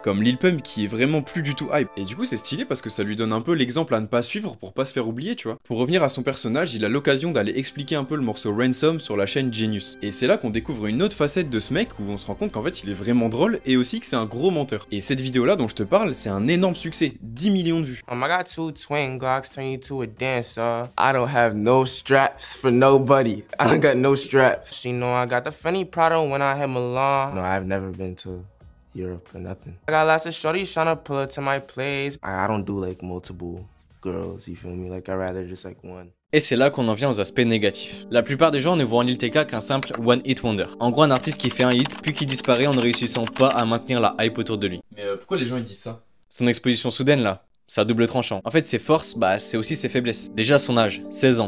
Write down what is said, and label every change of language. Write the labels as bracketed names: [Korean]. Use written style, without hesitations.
[French] Comme Lil Pump qui est vraiment plus du tout hype. Et du coup c'est stylé parce que ça lui donne un peu l'exemple à ne pas suivre pour pas se faire oublier tu vois. Pour revenir à son personnage, il a l'occasion d'aller expliquer un peu le morceau Ransom sur la chaîne Genius. Et c'est là qu'on découvre une autre facette de ce mec où on se rend compte qu'en fait il est vraiment drôle et aussi que c'est un gros menteur. Et cette vidéo là dont je te parle, c'est un énorme succès, 10 millions de vues. [English] I got two twin glocks, turn you to a dancer. I don't have no straps for nobody. I don't got no straps. She know I got the funny Prada when I had Milan. No, I've never been to Europe or nothing. I got lots of shorties trying to pull up to my place. I don't do like multiple girls, you feel me? Like I'd rather just like one. [French] Et c'est là qu'on en vient aux aspects négatifs. La plupart des gens ne voient en Lil TK qu'un simple one hit wonder. En gros, un artiste qui fait un hit puis qui disparaît en ne réussissant pas à maintenir la hype autour de lui. Mais pourquoi les gens ils disent ça? Son exposition soudaine là. C'est à double tranchant. En fait, ses forces, bah, c'est aussi ses faiblesses. Déjà, son âge, 16 ans.